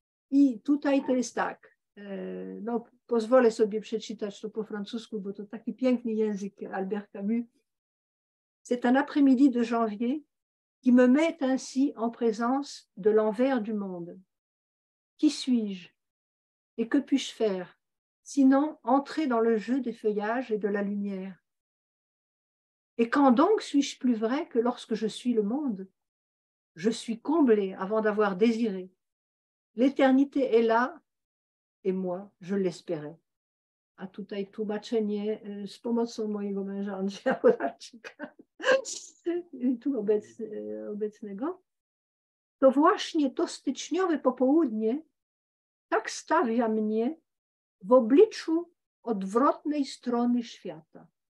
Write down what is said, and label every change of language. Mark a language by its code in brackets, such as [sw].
[pl] I tutaj to jest tak, no, pozwolę sobie przeczytać to po francusku, bo to taki piękny język Albert Camus. [fr] C'est un après-midi de janvier qui me met ainsi en présence de l'envers du monde. Qui suis-je et que puis-je faire? Sinon, entrer dans le jeu des feuillages et de la lumière. Et quand donc suis-je plus vrai que lorsque je suis le monde? Je suis comblé avant d'avoir désiré. L'éternité est là, et moi, je l'espérais. [pl] A tutaj tłumaczenie z pomocą mojego męża Andrzeja Polarczyka, tu obecnego. To właśnie to styczniowe popołudnie tak stawia mnie w obliczu odwrotnej strony świata.